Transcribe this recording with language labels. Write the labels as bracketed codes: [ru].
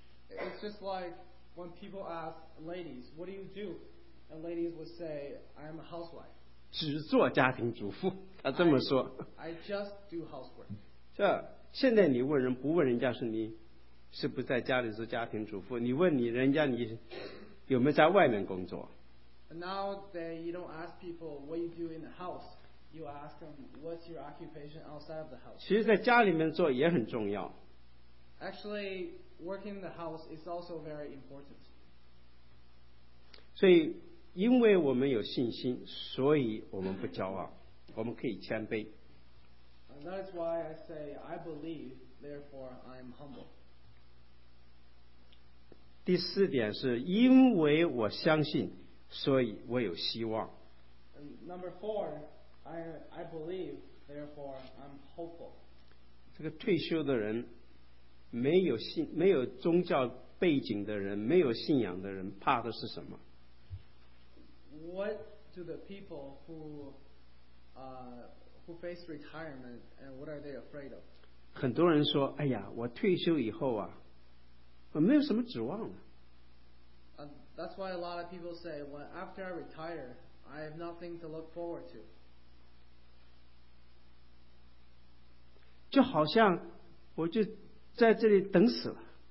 [en] It's just like when people ask ladies, what do you do? And ladies would say, I'm a housewife. [zh] 只做家庭主妇他这么说。 [en] I just do housework. [zh] 这现在你问人不问人家是你是不在家里做家庭主妇你问你人家你有没有在外面工作。 [en] And now that you don't ask people what you do in the house, you ask them what's your occupation outside of the house. [zh] 其实在家里面做也很重要。 [en] Actually, working in the house is also very important. [zh] 所以因为我们有信心所以我们不骄傲我们可以谦卑。 [en] And that is why I say I believe, therefore I am humble. [zh] 第四点是因为我相信所以我有希望。 [en] Number four, I believe, therefore I'm hopeful. [zh] 这个退休的人，没有信，没有宗教背景的人，没有信仰的人，怕的是什么 [en] ？What do the people who face retirement and what are they afraid of？ [zh] 很多人说，哎呀，我退休以后啊，我没有什么指望了。 [en] That's why a lot of people say, well, after I retire, I have nothing to look forward to. [zh] 就好像我就在这里等死了。